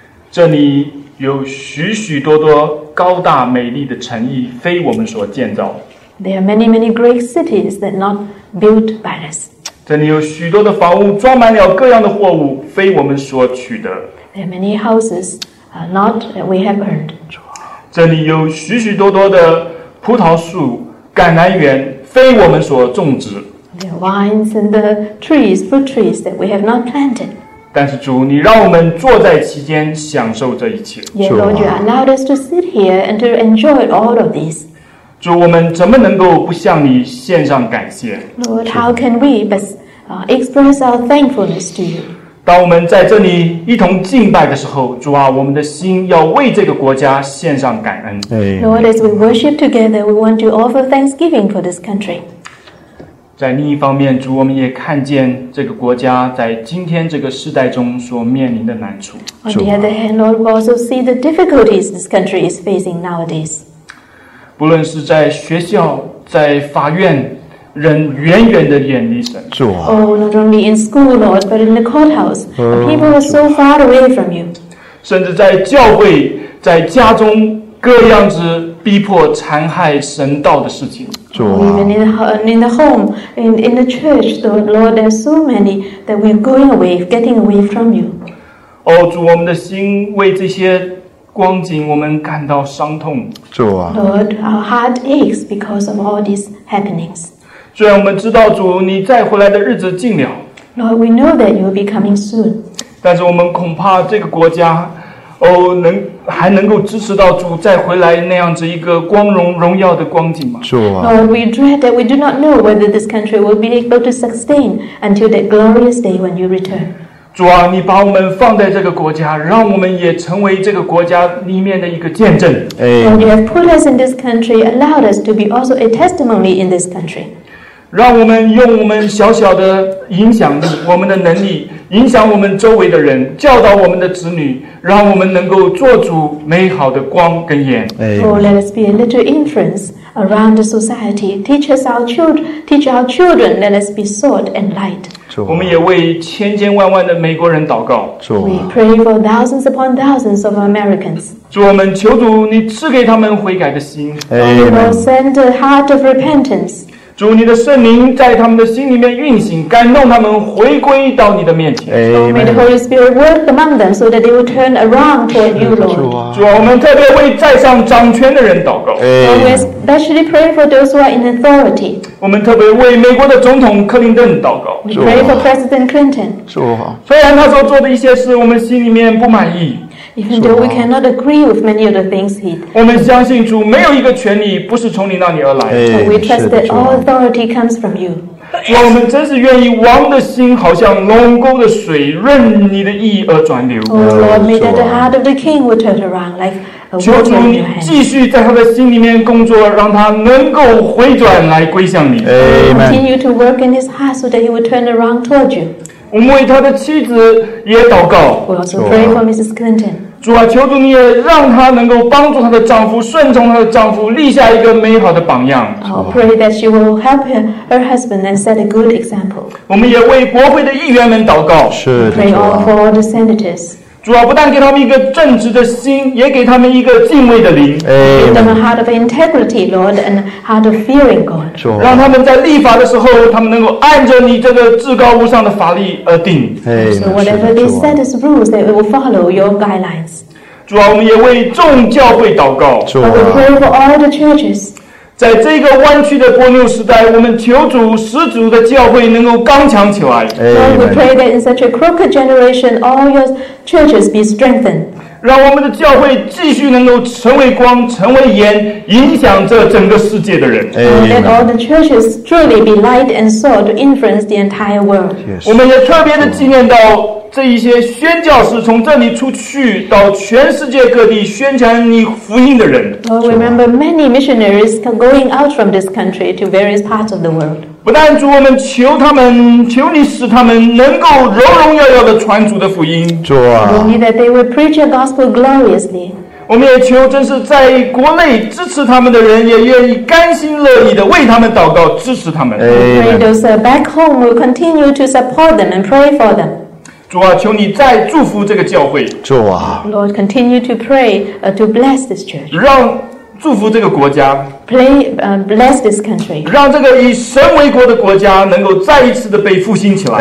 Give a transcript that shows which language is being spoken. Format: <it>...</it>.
<zh>这里有许许多多高大美丽的城邑，非我们所建造。</zh> <en>There are many, many great cities that are not built by us.</en> <zh>这里有许多的房屋装满了各样的货物，非我们所取得。</zh> <en>There are many houses not that we have earned.</en> <zh>这里有许许多多的葡萄树、橄榄园，非我们所种植。</zh> <en>There are vines and the trees, fruit trees that we have not planted.</en> <zh>但是主，你让我们坐在其间享受这一切。</zh> <en>Yet Lord, you allowed us to sit here and to enjoy all of these.</en> <zh>主，我们怎么能够不向你献上感谢</zh> <en>？Lord, how can we but express our thankfulness to you?</en> <zh>当我们在这里一同敬拜的时候，主啊，我们的心要为这个国家献上感恩。</zh> <en>Lord, as we worship together, we want to offer thanksgiving for this country.</en> <zh>在另一方面，主，我们也看见这个国家在今天这个时代中所面临的难处。</zh> <en>On the other hand, Lord, we also see the difficulties this country is facing nowadays.</en> <zh>不论是在学校、在法院，人远远的远离神。主啊。</zh> <en>Oh, not only in school, Lord, but in the courthouse, people are so far away from you.</en> <zh>甚至在教会、在家中，各样子逼迫、残害神道的事情。主啊。</zh> <en>Even in the home, in the church, Lord, there are so many that we are going away, getting away from you.</en> <zh>Oh, 主，我们的心为这些。光景我们感到伤痛主啊</zh> <en>Lord, our heart aches because of all these happenings.</en> <zh>虽然我们知道主你再回来的日子近了</zh> <en>Lord, we know that you will be coming soon.</en> <zh>但是我们恐怕这个国家哦能还能够支持到主再回来那样子一个光荣荣耀的光景吗主啊</zh> <en>Lord, we dread that we do not know whether this country will be able to sustain until that glorious day when you return.</en> <zh>主啊，你把我们放在这个国家，让我们也成为这个国家里面的一个见证。</zh> <en>And you have put us in this country, allowed us to be also a testimony in this country.</en> <zh>让我们用我们小小的影响力，我们的能力，影响我们周围的人，教导我们的子女，让我们能够做主美好的光跟盐。</zh> <en>Oh, let us be a little influence around the society. Teach our children. Let us be salt and light.</en> <zh>我们也为千千万万的美国人祷告。主啊。</zh> <en>We pray for thousands upon thousands of Americans.</en> <zh>主，我们求主你赐给他们悔改的心。</zh> <en>Amen. Lord, send a heart of repentance.</en> <zh>主，你的圣灵在他们的心里面运行，感动他们回归到你的面前。</zh> <en>Amen. May the Holy Spirit work among them so that they will turn around toward you, Lord.</en> <zh>主啊。主啊，我们特别为在上掌权的人祷告。</zh> <en>Amen. We especially pray for those who are in authority.</en> <zh>我们特别为美国的总统克林顿祷告。</zh> <en>We pray for President Clinton.</en> <zh>主啊，虽然他所做的一些事我们心里面不满意。</zh> <en>Even though we cannot agree with many of the things he.</en> <zh>我们相信主，没有一个权利不是从你那里而来。</zh> <en>We trust that all authority comes from you.</en> <zh>主啊，我们真是愿意王的心好像龙沟的水，任你的意而转流。</zh> <en>Oh Lord, may that the heart of the king would turn around like.</en> <zh>求主你继续在他的心里面工作，让他能够回转来归向你。</zh> <en>Amen. Continue to work in his heart so that he will turn around toward you.</en> <zh>我们为他的妻子也祷告。</zh> <en>We also pray for Mrs. Clinton.</en> <zh>主啊，求主你也让他能够帮助他的丈夫，顺从他的丈夫，立下一个美好的榜样。</zh> <en>I pray that she will help her husband and set a good example.</en> <zh>我们也为国会的议员们祷告。是的。</zh> <en>Pray all for the senators.</en> <zh>主啊，不但给他们一个正直的心，也给他们一个敬畏的灵。</zh> <en>Give them a heart of integrity, Lord, and a heart of fearing God.</en> <zh>主啊，让他们在立法的时候，他们能够按着你这个至高无上的法律而定。</zh> <en>So whatever they set as rules, they will follow your guidelines.</en> <zh>主啊，我们也为众教会祷告。主啊，</zh> <en>we pray for all the churches.</en> <zh>在这个弯曲的波妞时代，我们求主使主的教会能够刚强起来。</zh> <en>Lord, we pray that in such a crooked generation, all your churches be strengthened.</en> <zh>让我们的教会继续能够成为光，成为盐，影响这整个世界的人。</zh> <en>Let all the churches truly be light and salt to influence the entire world.</en> <zh>我们也特别的纪念到这一些宣教士从这里出去到全世界各地宣传你福音的人。</zh> <en>Lord, remember many missionaries going out from this country to various parts of the world.</en> <zh>不但主，我们求他们，求你使他们能够荣荣耀耀的传主的福音。主啊，</zh> <en>we need that they will preach your gospel gloriously.</en> <zh>我们也求，真是在国内支持他们的人也愿意甘心乐意的为他们祷告，支持他们。</zh> <en>Amen. Pray those back home will continue to support them and pray for them.</en> <zh>主啊，求你再祝福这个教会。主啊</zh> <en>，Lord, continue to pray to bless this church.</en> <zh>让祝福这个国家。</zh> <en>Bless this country.</en> <zh>让这个以神为国的国家能够再一次的被复兴起来。</zh>